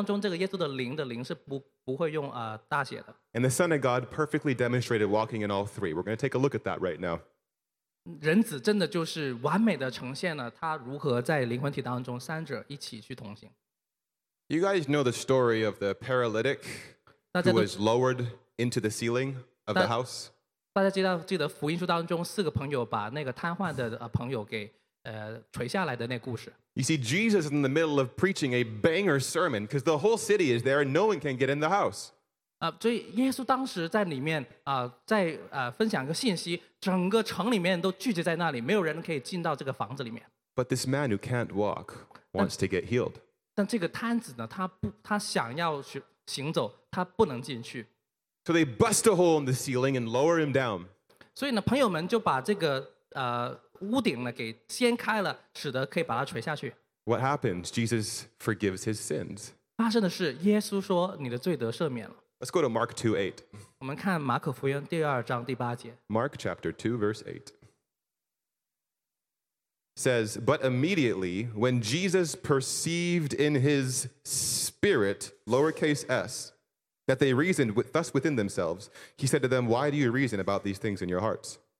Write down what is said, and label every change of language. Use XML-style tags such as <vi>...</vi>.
<zh>如果你在读圣经当中,你说到,提到这个字眼,就是耶稣的灵,在英文当中这个耶稣的灵的灵是不会用大写的。</zh> <en>And the Son of God perfectly demonstrated walking in all three. We're going to take a look at that right now.</en> <zh>人子真的就是完美的呈现了他如何在灵魂体当中三者一起去同行。</zh> <en>You guys know the story of the paralytic who was lowered into the ceiling of the house.</en> <zh>大家记得福音书当中四个朋友把那个瘫痪的朋友给垂下来的那故事。</zh> <en>You see, Jesus is in the middle of preaching a banger sermon because the whole city is there and no one can get in the house.</en> <zh>所以耶稣当时在里面分享一个信息, 整个城里面都聚集在那里, 没有人可以进到这个房子里面。</zh> <en>But this man who can't walk wants to get healed.</en> <zh>但这个摊子呢, 他想要行走, 他不能进去。</zh> <en>So they bust a hole in the ceiling and lower him down.</en> <zh>所以呢, 朋友们就把这个, 屋顶呢给掀开了，使得可以把它垂下去。</zh> <en>What happens? Jesus forgives his sins.</en> <zh>发生的是，耶稣说你的罪得赦免了。</zh> <en>Let's go to Mark 2:8.</en> <zh>我们看马可福音第二章第八节。</zh> <en>Mark chapter 2 verse 8 says, "But immediately when Jesus perceived in his spirit, lowercase s, that they reasoned with thus within themselves, he said to them, 'Why do you reason about these things in your hearts?'"</en>